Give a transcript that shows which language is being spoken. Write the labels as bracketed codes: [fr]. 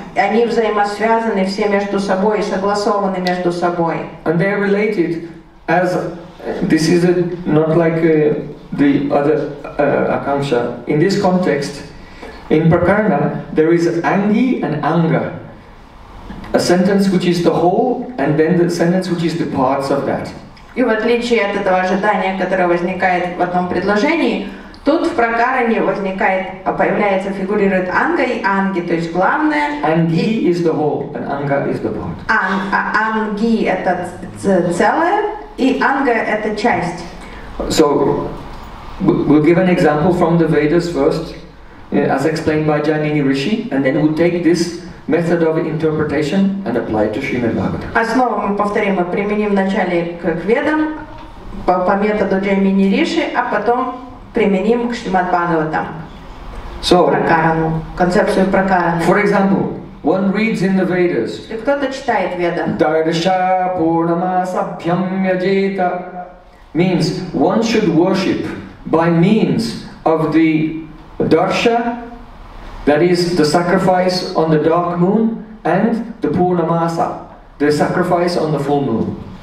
[ru] Они взаимосвязаны все между собой, согласованы между собой. [en] And they are related as this is a, not like the other akansha. In this context, in prakarana, there is angi and anga. A sentence which is the whole, and then the sentence which is the parts of that. [ru] И в отличие от этого ожидания, которое возникает в одном предложении, тут в прокаране возникает, появляется, фигурирует анга и анги, то есть главное. [en] Анги is the whole, and anga is the part. [ru] Анги это целое, и анга это часть. [en] So, we'll give an example from the Vedas first, as explained by Jainini Rishi, and then we'll take this method of interpretation and apply it to Srimad Bhagavatam. [ru] Основу мы повторим, мы применим вначале к Ведам по методу Jainini Rishi, а потом применим к Шримад Бхагаватам. [en] So, [ru] прокарану, концепцию прокараны. [en] For example, one reads in the Vedas. [ru] И кто-то читает Веда. [sa] Дарша Пурнама Сабхьям Яджета [en] means one should worship by means of the Дарша, that is the sacrifice on the dark moon, and the Пурнамаса, the sacrifice on the full moon.